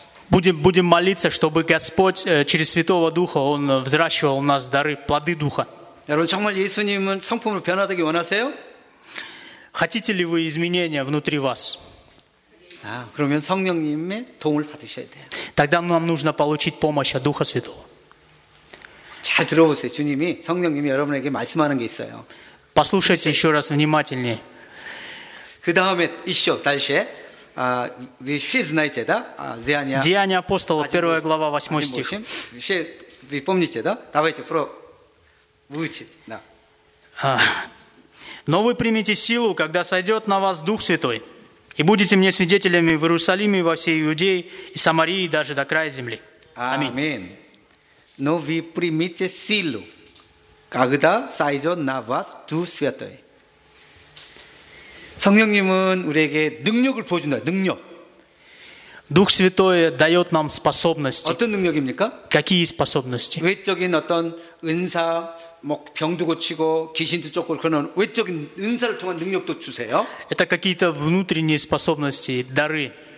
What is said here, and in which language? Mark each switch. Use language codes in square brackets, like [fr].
[ru] будем молиться, чтобы Господь через Святого Духа он взращивал у нас дары, плоды духа. [ko] 여러분 정말 예수님은 성품으로 변화되기 원하세요? [ru] Хотите ли вы изменения внутри вас? [ko] 아, 그러면 성령님의 도움을 받으셔야 돼요. [ru] Тогда нам нужно получить помощь от Духа Святого. [ko] 잘 들어보세요. 주님이 성령님이 여러분에게 말씀하는 게 있어요. [ru] Послушайте еще раз внимательнее. [ko] 그다음에 [ru] ещё дальше. 아, вы все знаете, да? 아, Деяния. Деяния апостолов, 1 глава, 8 стих. Все вы помните, да? Давайте про выучить, да. 아, но вы примете силу, когда сойдёт на вас Дух Святой. И будете мне свидетелями в Иерусалиме, во всей Иудее и Самарии, даже до края земли. Аминь. Но вы примите силу, когда сойдет на вас Дух Святой. [ko] 성령님은 우리에게 능력을 보여준다. 능력. [ru] Дух Святой дает нам способности. [ko] 어떤 능력입니까? [ru] Какие способности? [ko] 외적인 어떤 은사, 뭐 병도 고치고 귀신도 쫓고 그런 외적인 은사를 통한 능력도 주세요. [ru] Это какие-то внутренние способности, дары.